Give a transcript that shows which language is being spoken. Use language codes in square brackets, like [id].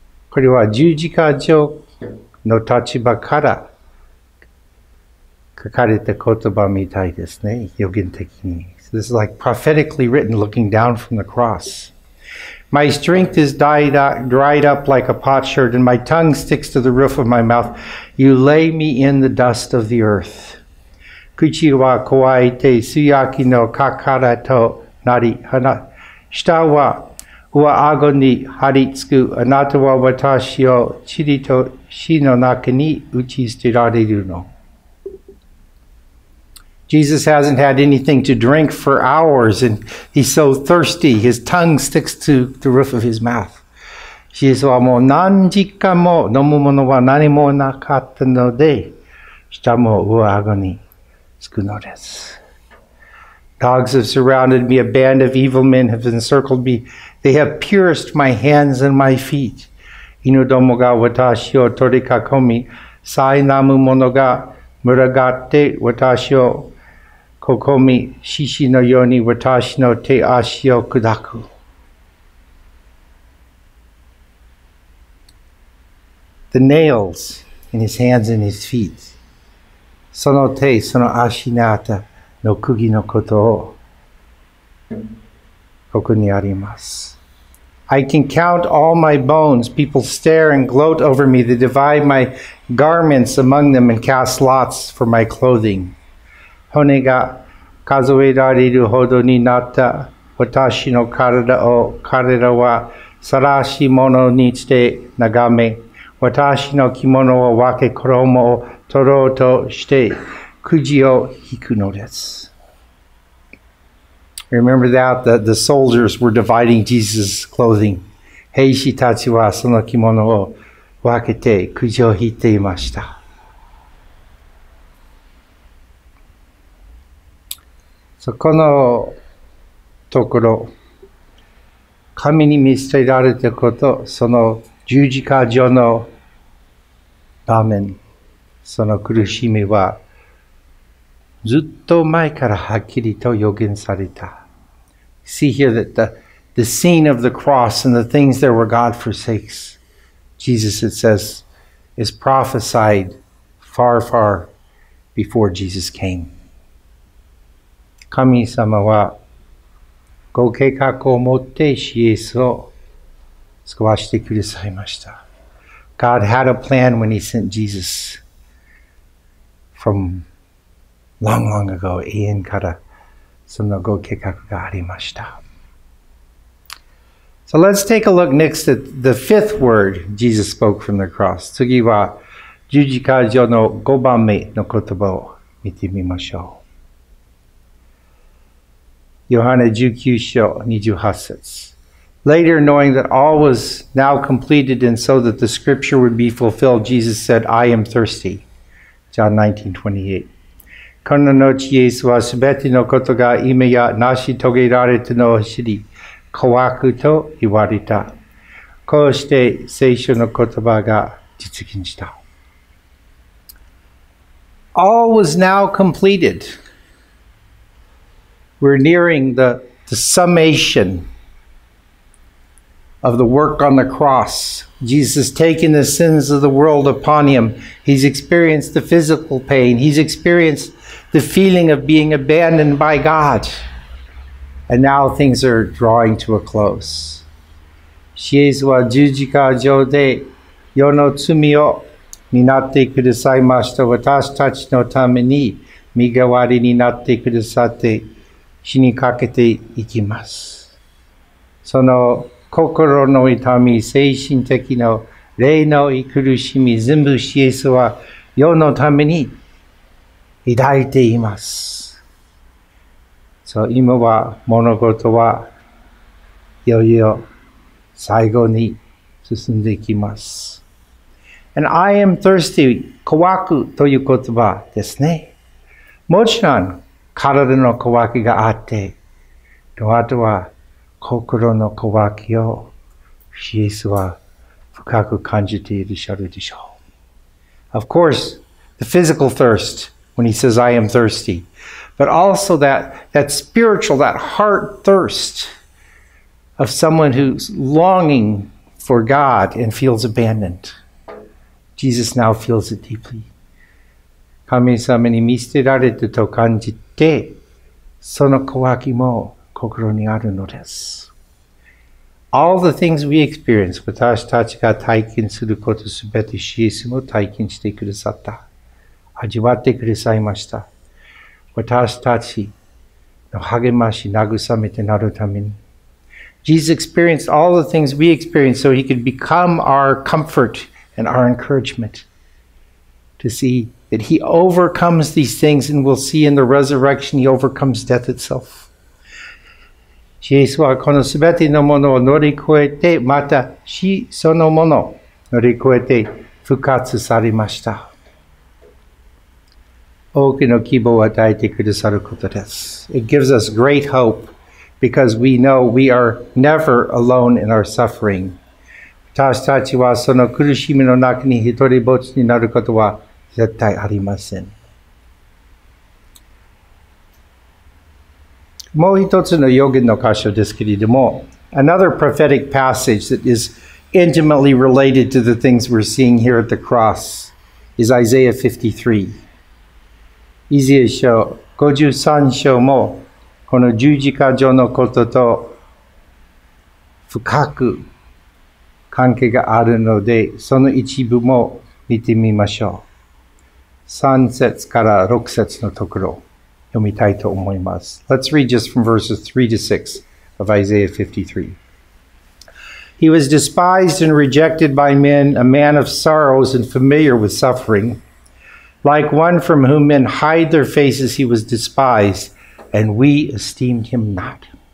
[ja] これは十字架上の立場から書かれた言葉みたいですね、予言的に。 [en] This is like prophetically written, looking down from the cross. My strength is dried up like a potsherd, and my tongue sticks to the roof of my mouth. You lay me in the dust of the earth. [ja] 口は乾いて素焼きの殻となり、舌は上顎に張り付く。あなたは私を塵と死の中に打ち捨てられるの。 [en] Jesus hasn't had anything to drink for hours, and he's so thirsty, his tongue sticks to the roof of his mouth. [ja] イエスはもう何時間も飲むものは何もなかったので、舌も上顎につくのです。 [en] Dogs have surrounded me, a band of evil men have encircled me. They have pierced my hands and my feet. [ja] 犬どもが私を取り囲み、苛なむ者が群がって私をここみ、獅子のように私の手足を砕く。 [en] The nails in his hands and his feet. [ja] その手、その足にあったの釘のことをここにあります。 [en] I can count all my bones. People stare and gloat over me. They divide my garments among them and cast lots for my clothing. [ja] 骨が数えられるほどになった私の体を彼らは晒し物にして眺め、私の着物を分け衣を取ろうとしてくじを引くのです。 [en] Remember that the soldiers were dividing Jesus' clothing. [ja] 兵士たちはその着物を分けてくじを引いていました。そこのところ、神に見捨てられたこと、その十字架上の場面、その苦しみはずっと前からはっきりと予言された。 [en] See here that the scene of the cross and the things that were God forsakes, Jesus, it says, is prophesied far, far before Jesus came. [ja] 神様はご計画を持ってイエスを救わしてくださいました。 [en] God had a plan when he sent Jesus from long, long ago, [ja] 永遠から。そのご計画がありました。 [en] So let's take a look next at the fifth word Jesus spoke from the cross. [ja] 次は十字架上の五番目の言葉を見てみましょう。ヨハネ19章28節。 [en] Later, knowing that all was now completed and so that the scripture would be fulfilled, Jesus said, I am thirsty. John 19:28. [ja] この後、イエスはすべてのことが今や成し遂げられたのを知り、乾くと言われた。こうして聖書の言葉が実現した。 [en] All was now completed. We're nearing the summation of the work on the cross. Jesus has taken the sins of the world upon him. He's experienced the physical pain. He's experienced the feeling of being abandoned by God. And now things are drawing to a close. [ja] イエスは十字架上で世の罪を担ってくださいました。私たちのために身代わりになってくださって死にかけていきます。その心の痛み、精神的な霊の苦しみ、全部イエスは世のために抱いています。今は物事はいよいよ最後に進んでいきます。 [en] And I am thirsty, [ja] 渇くという言葉ですね。もちろん体の渇きがあって、あとは心の渇きをイエスは深く感じているでしょう。でしょう。 [en] Of course, the physical thirst, when he says, I am thirsty. But also that spiritual, that heart thirst of someone who's longing for God and feels abandoned. Jesus now feels it deeply. [ja] 神様に見捨てられたと感じて、その渇きも心にあるのです。 [en] All the things we experience, [ja] 私たちが体験することすべてイエスも体験してくださった。味わってくださいました。私たちの励まし、慰めてなるために。 [en] Jesus experienced all the things we experienced so he could become our comfort and our encouragement. To see that he overcomes these things and we'll see in the resurrection he overcomes death itself. [ja] イエスはこのすべてのものを乗り越えて、また死そのもの乗り越えて復活されました。多くの希望を与えてくださることです。 [en] It gives us great hope because we know we are never alone in our suffering. [ja] 私たちはその苦しみの中に一人ぼっちになることは絶対ありません。もう一つの預言の箇所ですけれども、 [en] another prophetic passage that is intimately related to the things we're seeing here at the cross is Isaiah 53. [ja] イザヤ書53章もこの十字架上のことと深く関係があるのでその一部も見てみましょう。 3節から6節のところ読みたいと思います。 [en] Let's read just from verses 3 to 6 of Isaiah 53. He was despised and rejected by men, a man of sorrows and familiar with suffering. Like one from whom men hide their faces, he was despised, and we esteemed him not.